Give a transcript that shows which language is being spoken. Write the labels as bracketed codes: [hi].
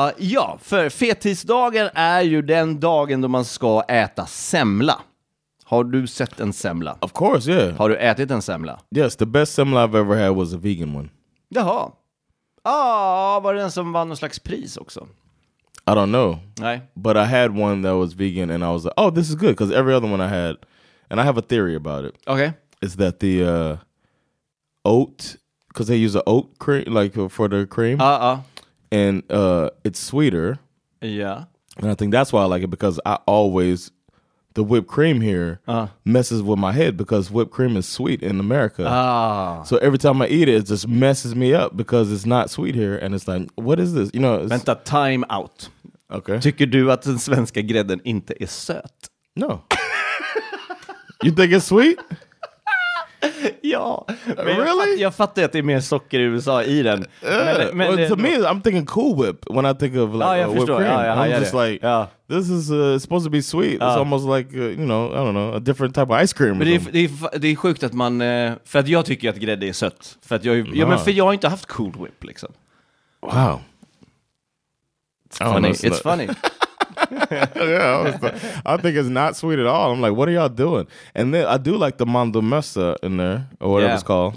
[sv] Ja, för fetisdagen är ju den dagen då man ska äta semla. Har du sett en semla? [en] Of course, yeah. [sv] Har du ätit en semla? [en] Yes, the best semla I've ever had was a vegan one. [sv] Jaha. Var det den som vann någon slags pris också? [en] I don't know. [sv] Nej. [en] But I had one that was vegan and I was like, oh, this is good. Because every other one I had, and I have a theory about it. Okay. Is that the oat, because they use an oat cream, like for the cream. Uh-uh. And it's sweeter. Yeah. And I think that's why I like it, because I always... The whipped cream here messes with my head because whipped cream is sweet in America. Ah. So every time I eat it, it just messes me up because it's not sweet here. And it's like, what is this? You know, it's... [sv] Vänta, [en] time out. Okay. [sv] Tycker du att den svenska grädden inte är söt? [en] No. You think it's sweet? [sv] Ja, men [en] really? [sv] Jag fattar att det är mer socker i USA i den. [en] Men well, to me, I'm thinking Cool Whip when I think of like whipped cream. This is supposed to be sweet. It's almost like, you know, I don't know, a different type of ice cream. [sv] Men det är sjukt att man, för att jag tycker att grädde är sött. För att jag har inte haft Cool Whip liksom. [en] Wow. It's funny. Yeah, I think it's not sweet at all. I'm like, what are y'all doing? And then I do like the mando mesa in there, or whatever it's called.